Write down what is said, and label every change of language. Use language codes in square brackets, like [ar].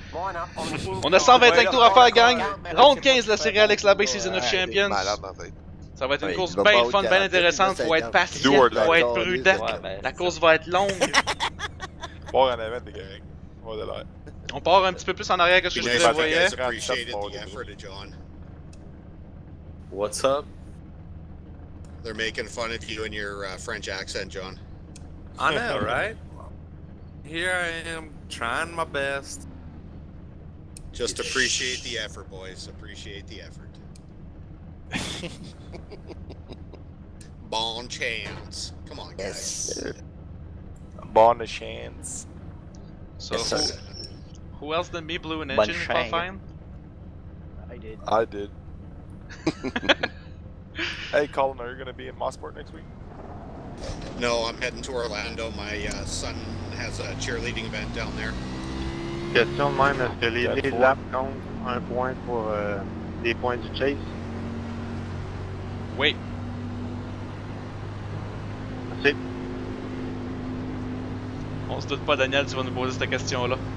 [fr] On a 125 tours à faire, gang. Round 15, la série Alex Labbé Season of Champions. Ça va être une course bien fun, bien intéressante. Faut être patient, faut être prudent. La course va être longue. Part en avant, t'es correct. On part un petit peu plus en arrière que ce que je prévoyais. [en] What's up? They're making fun of you and your French accent, John. I know, right? Here I am, trying my best. Just appreciate the effort, boys. Appreciate the effort. [fr] Bon chance. [en] Come on, guys. [fr] Bon chance. [en] So, yes, who else than me blew an engine in qualifying? I did. Hey, Colin, are you going to be in Mossport next week? No, I'm heading to Orlando. My son has a cheerleading event down there. [fr] Question même, est-ce que les laps comptent un point pour les points du chase? [en] Wait. [fr] Merci. On se doute pas, Daniel, tu vas nous poser cette question-là.